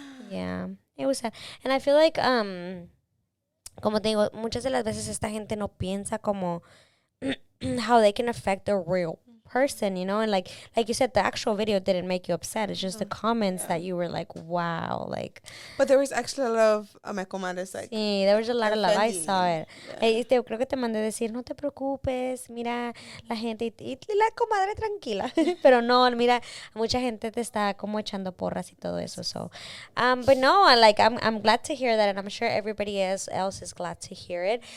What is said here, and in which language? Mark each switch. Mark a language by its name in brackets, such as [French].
[Spanish] Yeah, it was sad. And I feel like, como te digo, muchas de las veces esta gente no piensa como... [English] how they can affect the real person, you know? And like you said, the actual video didn't make you upset. It's just the comments that you were like, wow. Like, but there was actually a lot of my comadres, like... Sí, there was a lot of love. I saw it. Yeah. [Spanish] Hey, creo que te mandé decir, no te preocupes, mira la gente. Y la comadre tranquila. Pero no, mira, mucha gente te está como echando porras y todo eso. [English] So, but no, like, I'm glad to hear that. And I'm sure everybody else is glad to hear it.